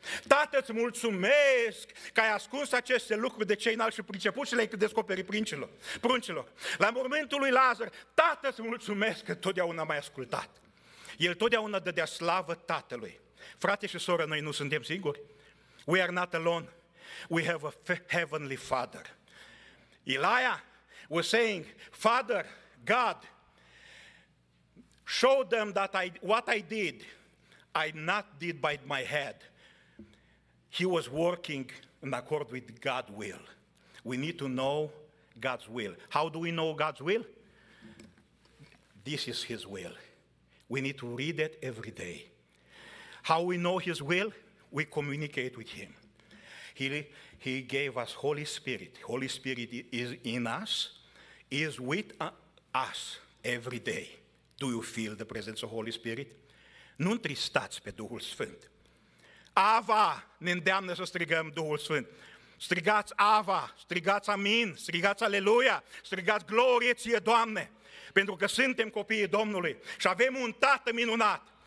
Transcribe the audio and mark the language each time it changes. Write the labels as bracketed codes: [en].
[ro] Tată, îți mulțumesc că ai ascuns aceste lucruri de cei înalți și priceput și le-ai descoperit pruncilor. La mormântul lui Lazar, Tată, îți mulțumesc că totdeauna m-ai ascultat. El totdeauna dădea slavă Tatălui. Frate și soră, noi nu suntem singuri. [en] We are not alone. We have a heavenly Father. Elijah was saying, Father, God, show them that what I did by my head. He was working in accord with God's will. We need to know God's will. How do we know God's will? This is His will. We need to read it every day. How we know His will? We communicate with Him. He gave us Holy Spirit. Holy Spirit is in us, is with us every day. Do you feel the presence of Holy Spirit? [ro] Nu întristați pe Duhul Sfânt. Ava ne îndeamnă să strigăm Duhul Sfânt. Strigați Ava, strigați Amin, strigați Aleluia, strigați Glorie ție, Doamne, pentru că suntem copiii Domnului și avem un Tată minunat.